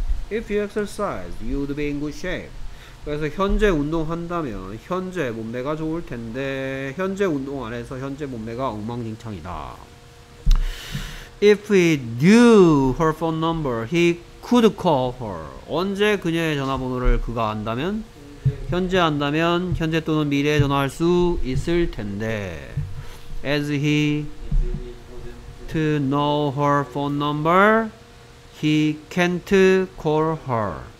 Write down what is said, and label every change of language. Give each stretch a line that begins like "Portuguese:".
English: If you exercise, you would be in good shape.
Korean: 그래서 현재 운동한다면 현재 몸매가 좋을 텐데 현재 운동 안 해서 현재 몸매가 엉망진창이다.
English: If he knew her phone number, he could call her.
Korean: 언제 그녀의 전화번호를 그가 안다면? 현재 안다면 현재 또는 미래에 전화할 수 있을 텐데.
English: As he to know her phone number, he can't call her.